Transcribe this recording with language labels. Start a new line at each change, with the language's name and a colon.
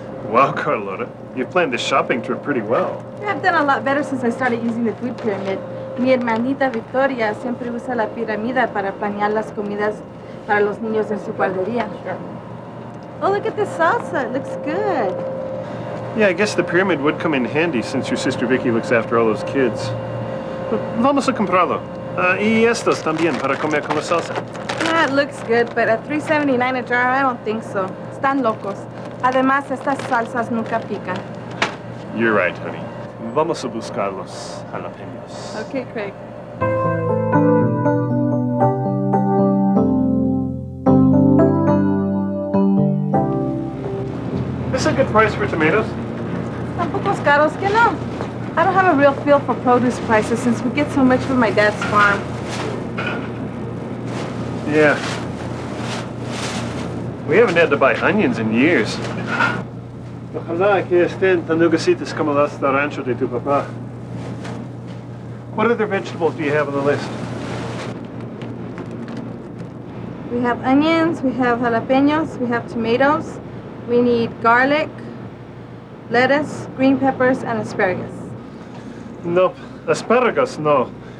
English: Wow, Carlota, you've planned this shopping trip pretty well. Yeah, I've done a lot better since I started using the food pyramid.
Spanish: Mi hermanita Victoria siempre usa la piramida para planear las comidas para los niños en su guardería.
English: Sure. Oh, look at the salsa. It looks good. Yeah, I guess the pyramid would come in handy since your sister Vicky looks after all those kids. But
Spanish: vamos a comprarlo. Y estos también para comer con la salsa.
English: Yeah, it looks good, but at $3.79 a jar, I don't think so.
Spanish: Están locos. Además, estas salsas nunca pican.
English: You're right, honey.
Spanish: Vamos a buscar los jalapenos.
English: Okay, Craig. Is a good price for tomatoes?
Spanish: Tampoco es caro, es que no.
English: I don't have a real feel for produce prices since we get so much from my dad's farm. Yeah. We haven't had to buy onions in years.
Spanish: Ojalá que estén tan lugositas como las de rancho de tu papá.
English: What other vegetables do you have on the list? We have onions, we have jalapenos, we have tomatoes. We need garlic, lettuce, green peppers, and asparagus. Nope. Asparagus, no.